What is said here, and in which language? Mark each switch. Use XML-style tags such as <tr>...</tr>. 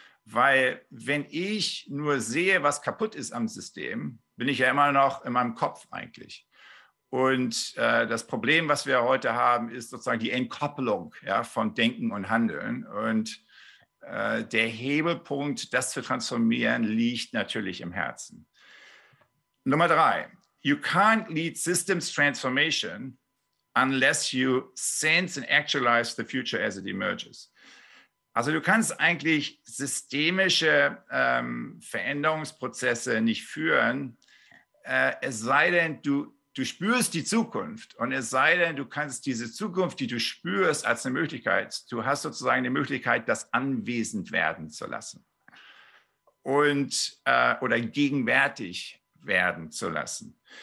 <de>Weil wenn ich nur sehe, was kaputt ist am System, bin ich ja immer noch in meinem Kopf eigentlich. Und das Problem, was wir heute haben, ist sozusagen die Entkopplung, ja, von Denken und Handeln. Und der Hebelpunkt, das zu transformieren, liegt natürlich im Herzen. Nummer drei.</de> <en>You can't lead systems transformation unless you sense and actualize the future as it emerges.</en> <de>Also du kannst eigentlich systemische Veränderungsprozesse nicht führen, es sei denn, du spürst die Zukunft und es sei denn, du kannst diese Zukunft, die du spürst, als eine Möglichkeit, du hast sozusagen eine Möglichkeit, das anwesend werden zu lassen und oder gegenwärtig werden zu lassen.</de>